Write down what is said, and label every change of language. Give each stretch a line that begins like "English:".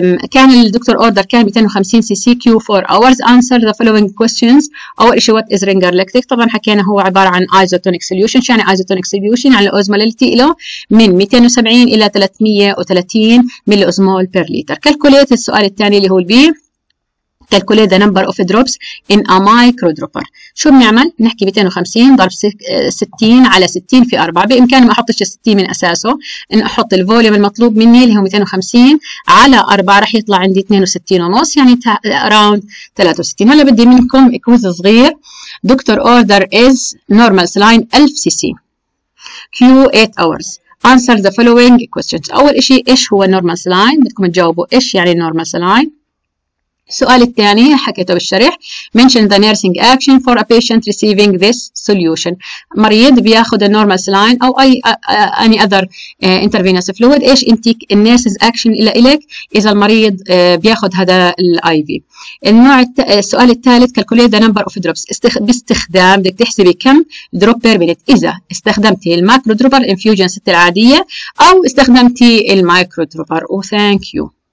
Arabic: كان الدكتور اوردر كان 250 سي سي كيو 4 اورز،
English: answer the following questions,
Arabic: اول شيء
English: What is Ringer lactate?
Arabic: طبعا حكينا هو عباره عن ايزوتونيك سوليوشن، يعني ايزوتونيك سوليوشن يعني الاوزماليتي له من 270 الى 330 ملي اوزمول بير لتر. كالكوليت السؤال الثاني اللي هو البي،
English: calculate the number of drops in a micro dropper.
Arabic: شو بنعمل؟ بنحكي 250 ضرب 60 على 60 في 4، بامكاني ما احطش ال 60 من اساسه، ان احط الفوليوم المطلوب مني اللي هو 250 على 4 راح يطلع عندي 62.5، يعني اراوند 63. هلا بدي منكم كويز صغير،
English: Doctor order is normal saline 1000 C C Q 8 hours, answer the following questions.
Arabic: اول شيء ايش هو نورمال سلاين؟ بدكم تجاوبوا ايش يعني نورمال سلاين. السؤال الثاني حكيته بالشرح،
English: mention the nursing action for a patient receiving this solution.
Arabic: مريض بياخذ النورمال سلاين
English: او اي any other intravenous fluid,
Arabic: ايش انتيك النيرسز اكشن الى الك اذا المريض بياخذ هذا الاي في. النوع السؤال الثالث،
English: calculate the number of drops
Arabic: باستخدام، بدك تحسبي كم دروب بير مينت اذا استخدمتي الماكرو دروبر انفيوجن ست العاديه او استخدمتي المايكرو دروبر.
English: وثانك يو.